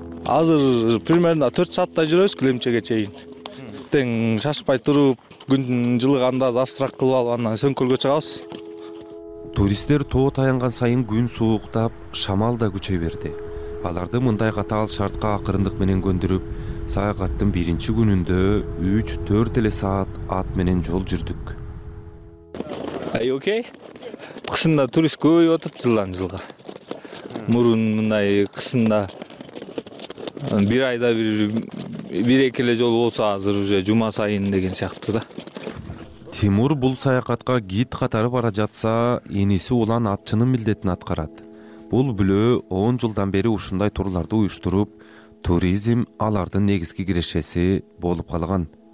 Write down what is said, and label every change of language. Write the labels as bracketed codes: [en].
[ky] Азыр примерно 4 сааттай жүрөбүз Климчеге чейин. Тең шашпай туруп, күндүн жылыганда завтрак кылып алып, андан Сөңкөлгө чыгабыз. Туристтер тоо таянган сайын күн сууктап, шамал да күчөй берди. Аларды мындай катаал шартка акырындык менен көндүрүп, саякаттын биринчи күнүндө 3-4 эле саат ат менен жол жүрдүк. [en] Are you okay? [ky] Кысында турист көбөйүп атат жылдан жылга. Мурун мындай кысында бир айда бир эки эле жолу болсо, азыр уже жума сайын деген сыяктуу да. Тимур бул саякатка гид катары бара жатса, иниси улан атчынын милдетин аткарат. Бул бүлөө 10 жылдан бери ушундай турларды уюштуруп, туризм алардын негизги кирешеси болуп калган.